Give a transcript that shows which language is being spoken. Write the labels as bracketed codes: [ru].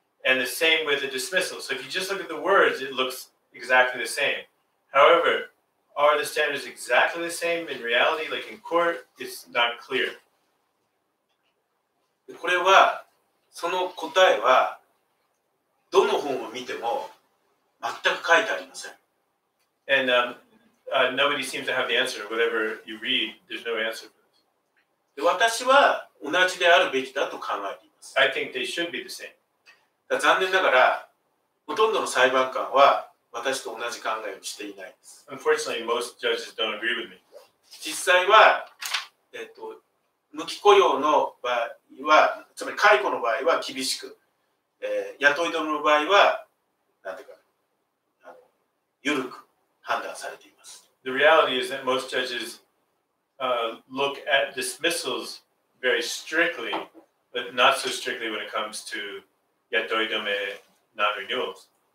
[en] And the same with the dismissal. So if you just look at the words, it looks exactly the same. However,Are the standards exactly the same in reality, like in court? It's not clear. [ja] これは、その答えは、どの本を見ても全く書いてありません。 [en] And nobody seems to have the answer. Whatever you read, there's no answer for this. [ja] で、私は同じであるべきだと考えています。 [en] I think they should be the same. [ja] だ、残念ながら、ほとんどの裁判官は、私と同じ考えをしていないです。 [en] Unfortunately, most judges don't agree with me. [ja] 実際は、無期雇用の場合は、つまり解雇の場合は厳しく、雇い止めの場合は、なんていうか、判断されています。 [en] The reality is that most judges, look at dismissals very strictly, but not so strictly when it comes to yatoi dome, non-renewals.